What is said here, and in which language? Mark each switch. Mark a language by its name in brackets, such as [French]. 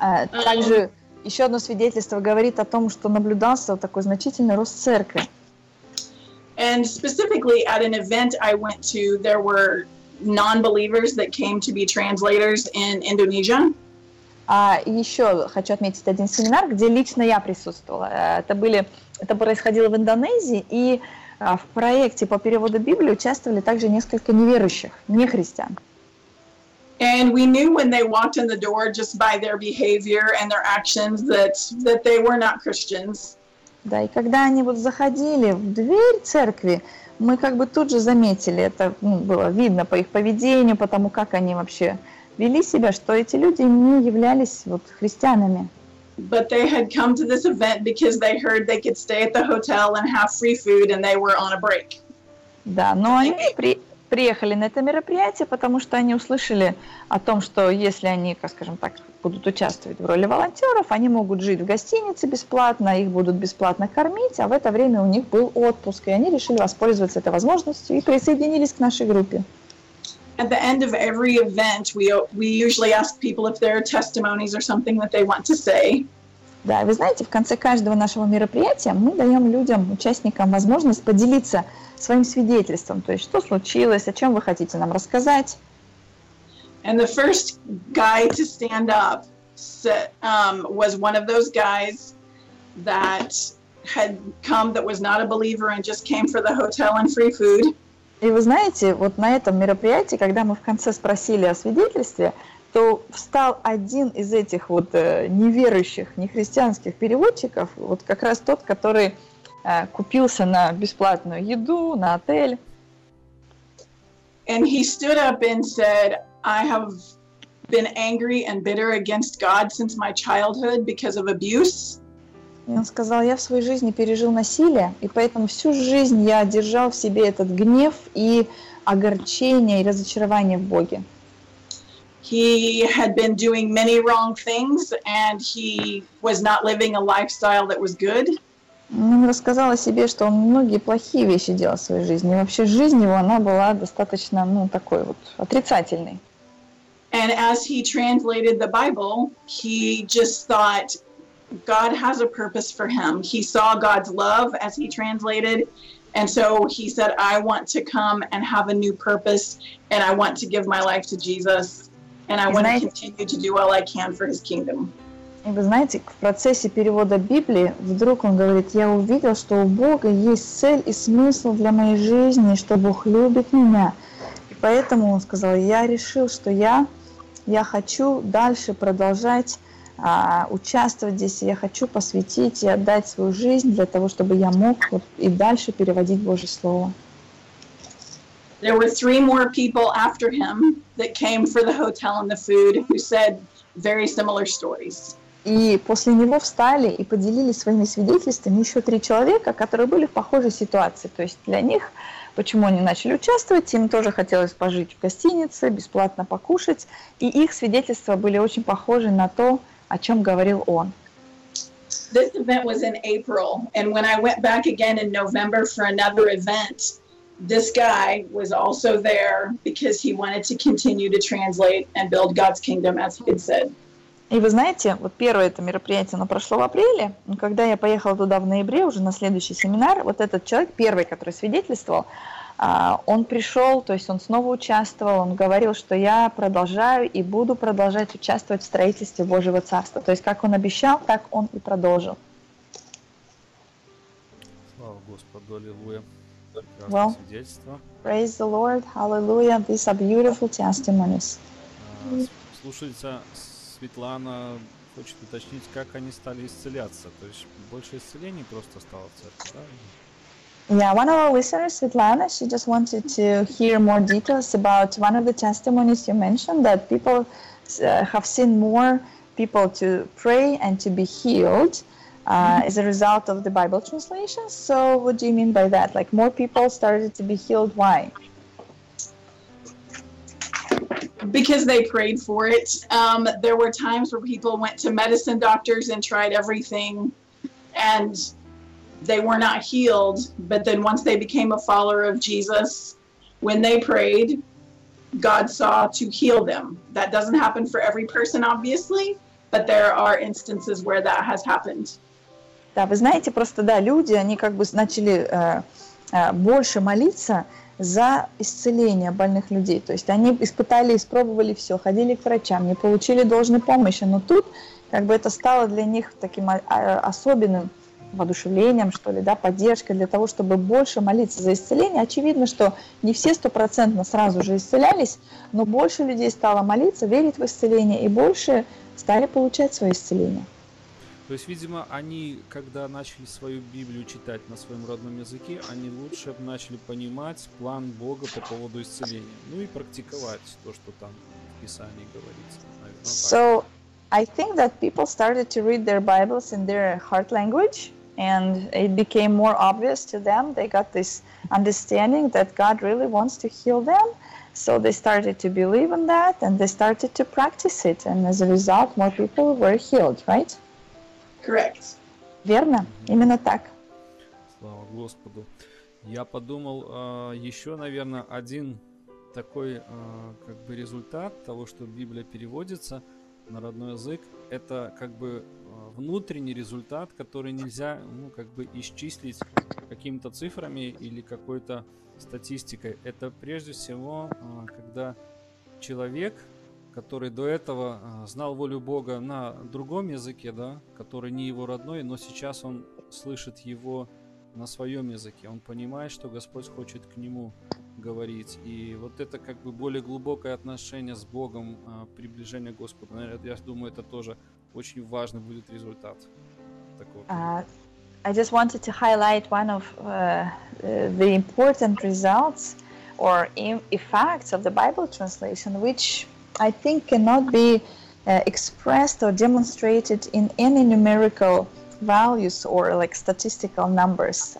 [Russian] Также еще одно свидетельство говорит о том, что наблюдался такой значительный рост церкви. [English] And specifically at an event I went to, there were non-believers that came to be translators in Indonesia. [Russian] А еще хочу отметить один семинар, где лично я присутствовала. Это происходило в Индонезии, и в проекте по переводу Библии участвовали также несколько неверующих, не христиан. [English] And we knew when they walked in the door just by their behavior and their actions that they were not Christians. [Russian] Да, и когда они вот заходили в дверь церкви, мы как бы тут же заметили, это было видно по их поведению, по тому, как они вообще вели себя, что эти люди не являлись вот христианами. [English] But they had come to this event because they heard they could stay at the hotel and have free food and they were on a break. [Russian] Да, но они приехали на это мероприятие, потому что они услышали о том, что если они, как скажем так, будут участвовать в роли волонтеров, они могут жить в гостинице бесплатно, их будут бесплатно кормить, а в это время у них был отпуск, и они решили воспользоваться этой возможностью и присоединились к нашей группе. [English] At the end of every event, we usually ask people if there are testimonies or something that they want to say. [Russian] Да, вы знаете, в конце каждого нашего мероприятия мы даем людям, участникам, возможность поделиться своим свидетельством, то есть что случилось, о чем вы хотите нам рассказать. [English] And the first guy to stand up was one of those guys that had come that was not a believer and just came for the hotel and free food. [Russian] И вы знаете, вот на этом мероприятии, когда мы в конце спросили о свидетельстве, то встал один из этих вот неверующих, нехристианских переводчиков, вот как раз тот, который купился на бесплатную еду, на отель. [English] And he stood up and said, I have been angry and bitter against God since my childhood because of abuse. [Russian] И он сказал, я в своей жизни пережил насилие, и поэтому всю жизнь я держал в себе этот гнев и огорчение, и разочарование в Боге. [English] He had been doing many wrong things, and he was not living a lifestyle that was good. [Russian] Он рассказал о себе, что он многие плохие вещи делал в своей жизни, и вообще жизнь его, она была достаточно, ну, такой вот, отрицательной. [English] And as he translated the Bible, he just thought, God has a purpose for him. He saw God's love as he translated, and so he said, I want to come and have a new purpose, and I want to give my life to Jesus, and I want to continue to do all I can for his kingdom. [Russian] И вы знаете, в процессе перевода Библии вдруг он говорит, я увидел, что у Бога есть цель и смысл для моей жизни, что Бог любит меня. И поэтому он сказал, я решил, что я хочу дальше продолжать участвовать здесь, и я хочу посвятить и отдать свою жизнь для того, чтобы я мог вот и дальше переводить Божье Слово. [English] There were three more people after him that came for the hotel and the food who said very similar stories. [Russian] И после него встали и поделились своими свидетельствами еще три человека, которые были в похожей ситуации. То есть для них, почему они начали участвовать, им тоже хотелось пожить в гостинице, бесплатно покушать, и их свидетельства были очень похожи на то, о чем говорил он. [English] This event was in April, and when I went back again in November for another event, this guy was also there because he wanted to continue to translate and build God's kingdom, as he had said. [Russian] И вы знаете, вот первое это мероприятие, оно прошло в апреле, но когда я поехала туда в ноябре, уже на следующий семинар, вот этот человек, первый, который свидетельствовал, он пришел, то есть он снова участвовал, он говорил, что я продолжаю и буду продолжать участвовать в строительстве Божьего Царства. То есть, как он обещал, так он и продолжил. Слава Господу, аллилуйя. Прекрасное свидетельство. [English] Praise the Lord, hallelujah, these are beautiful testimonies. [Russian] Слушается, Светлана хочет уточнить, как они стали исцеляться. То есть, больше исцелений просто стало в церкви, да? [English] Yeah, one of our listeners, Svetlana, she just wanted to hear more details about one of the testimonies you mentioned, that people have seen more people to pray and to be healed as a result of the Bible translation. So what do you mean by that? Like more people started to be healed. Why? Because they prayed for it. There were times where people went to medicine doctors and tried everything and they were not healed, but then once they became a follower of Jesus, when they prayed, God saw to heal them. That doesn't happen for every person, obviously, but there are instances where that has happened. [Russian] Да, вы знаете, просто да, люди, они как бы начали больше молиться за исцеление больных людей. То есть они испытали, испробовали все, ходили к врачам, не получили должной помощи, но тут как бы это стало для них таким особенным воодушевлением, что ли, да, поддержкой для того, чтобы больше молиться за исцеление. Очевидно, что не все стопроцентно сразу же исцелялись, но больше людей стало молиться, верить в исцеление, и больше стали получать свое исцеление. То есть, видимо, они, когда начали свою Библию читать на своем родном языке, они лучше начали понимать план Бога по поводу исцеления, ну и практиковать то, что там в Писании говорится. [English] So, I think that people started to read their Bibles in their heart language, and it became more obvious to them. They got this understanding that God really wants to heal them. So they started to believe in that, and they started to practice it. And as a result, more people were healed, right? Correct. [Russian] Верно? Mm-hmm. Именно так. Слава Господу. Я подумал, еще, наверное, один такой как бы результат того, что Библия переводится на родной язык, это как бы внутренний результат, который нельзя, ну, как бы исчислить какими-то цифрами или какой-то статистикой. Это прежде всего, когда человек, который до этого знал волю Бога на другом языке, да, который не его родной, но сейчас он слышит его на своем языке, он понимает, что Господь хочет к нему говорить, и вот это как бы более глубокое отношение с Богом, приближение к Господу. Я думаю, это тоже очень важный будет результат такого. [English] I just wanted to highlight one of the important results or effects of the Bible translation, which I think cannot be expressed or demonstrated in any numerical values or like statistical numbers.